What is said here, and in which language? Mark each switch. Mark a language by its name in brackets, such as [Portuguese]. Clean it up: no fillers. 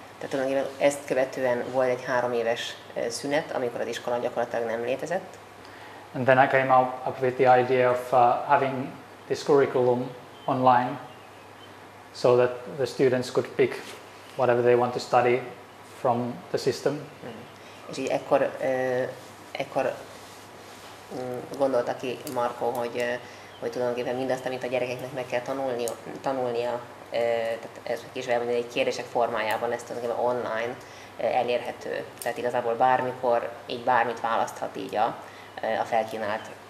[Hungarian] Tehát tulajdonképpen ezt követően volt egy három éves szünet, amikor az iskola gyakorlatilag nem létezett. [English] And then I came up with the idea of having this curriculum online, so that the students could pick whatever they want to study from the system. [Hungarian] És így ekkor gondolta ki Marko, hogy tulajdonképpen mindazt, amit a gyerekeknek meg kell tanulnia. Tehát ez kis vagy egy kérdések formájában ez tulajdonképpen online elérhető. Tehát igazából bármikor így bármit választhat így a felkínált